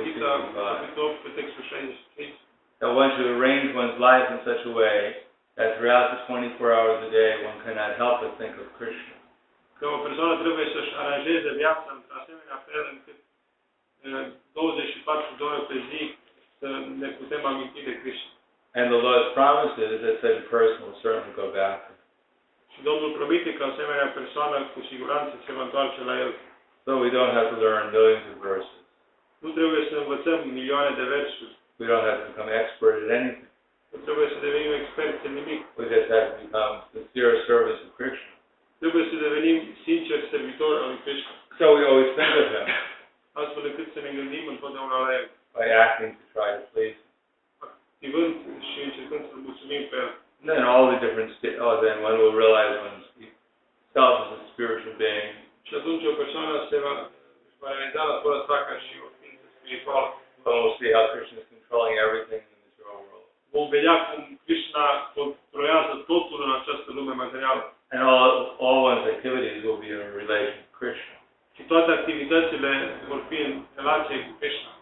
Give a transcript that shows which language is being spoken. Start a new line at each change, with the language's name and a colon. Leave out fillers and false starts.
English: that one should arrange one's life in such a way that throughout the 24 hours a day one cannot help but think of Krishna.
Romanian: Că o persoană trebuie să-și aranjeze viața într-o asemenea fel încât 24 de ore pe zi să ne putem aminti de Krishna.
English: And the Lord promises that such a person will certainly go back.
Romanian: Și Domnul promite că asemenea persoană cu siguranță se va întoarce la el.
English: So we don't have to learn millions of verses.
Romanian: Nu trebuie să învățăm milioane de versuri.
English: We don't have to become expert at anything.
Romanian: Nu trebuie să devenim experți în nimic.
English: We just have to become sincere servants of Krishna.
Romanian: Trebuie să devenim sincer servitor al lui Krishna.
English: So we always think of him.
Romanian: Astfel încât să ne gândim întotdeauna la el.
English: By acting to try to please.
Romanian: Activând și încercând să-l mulțumim pe el.
English: Then all the different then one will realize one's self as a spiritual being.
Romanian: Și atunci o persoană se va realiza la fără sa ca și o ființă spirituală.
English: One will see how Krishna is controlling everything in this real world.
Romanian: Vom vedea cum Krishna controlează totul în această lume materială.
English: And all one's activities will be in relation to Krishna.
Romanian: Și toate activitățile vor fi în relație cu Krishna.